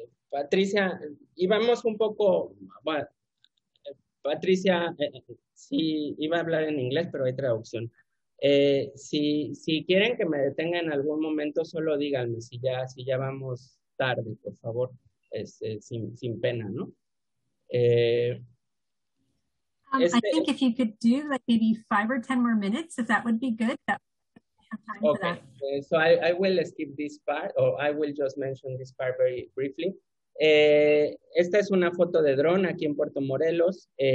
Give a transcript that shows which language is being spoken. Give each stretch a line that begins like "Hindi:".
Spanish: Patricia, íbamos un poco... Bueno, Patricia, sí, iba a hablar en inglés, pero hay traducción. Si quieren que me detenga en algún momento, solo díganme, si ya vamos tarde, por favor, sin pena, ¿no?
English: I think if you could do like maybe 5 or 10 more minutes, if that would be good, that would have time for that. Okay, so I will skip this part, or I will just mention this part very briefly.
Spanish: Esta es una foto de dron aquí en Puerto Morelos.